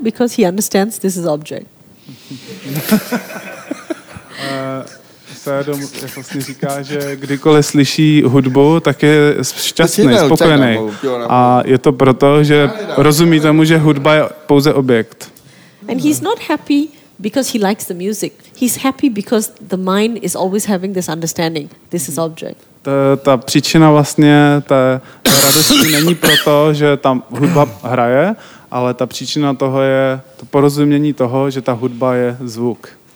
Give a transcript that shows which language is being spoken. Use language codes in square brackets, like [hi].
[en] Because he understands this is object. [cs] Sádom vlastně říká, že kdykoliv slyší hudbu, tak je šťastný, spokojený. A je to proto, že rozumí tomu, že hudba je pouze objekt. [en] And he's not happy because he likes the music. He's happy because the mind is always having this understanding. This is object. [cs] Ta příčina vlastně, ta radost není proto, že tam hudba hraje, ale ta příčina toho je to porozumění toho, že ta hudba je zvuk.